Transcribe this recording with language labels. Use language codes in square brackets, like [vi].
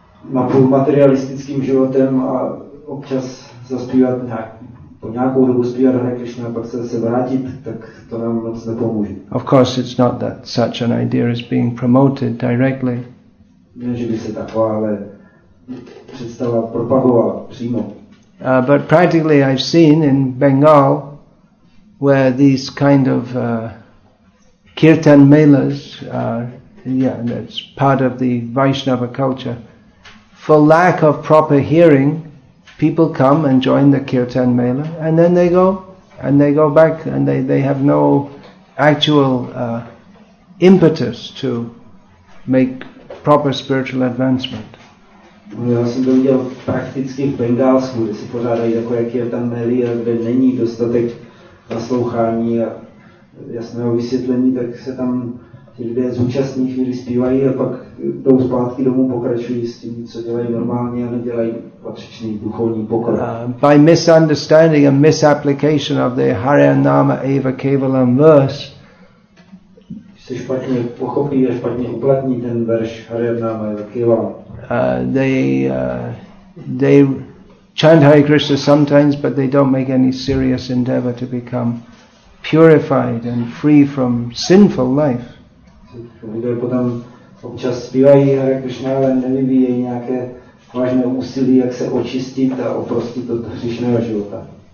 [cs] Napůl materialistickým životem a občas zaspívat nějak po nějakou dobu zpívat Hare Krishna a pak se zase vrátit, tak to nám moc nepomůže. [en] Of course it's not that such an idea is being promoted directly. [cs] Ne, že by se taková ale představa propagovala přímo. [en] But practically I've seen in Bengal where these kind of kirtan melas are, yeah, that's part of the Vaishnava culture. For lack of proper hearing, people come and join the kirtan mela, and then they go, and they go back, and they have no actual impetus to make proper spiritual advancement. [cs] Já jsem to viděl prakticky v Bengálsku, kde se pořádají takové kirtan mely, kde není dostatek naslouchání a jasného vysvětlení, tak se tam ti lidé zúčastní chvíli zpívají a pak jdou zpátky domů, pokračují s tím, co dělají normálně a nedělají patřičný duchovní pokrok. [en] By misunderstanding and misapplication of the Haryanama Eva Kevalam verse, [cs] se špatně pochopí a špatně uplatní ten verš Haryanama Eva Kevalam. [en] They chant Hare Krishna sometimes, but they don't make any serious endeavor to become purified and free from sinful life. [cs] Lidé potom občas zpívají Hare Krishna, ale nevyvíjejí nějaké vážné úsilí, jak se očistit a oprostit od hříšného života.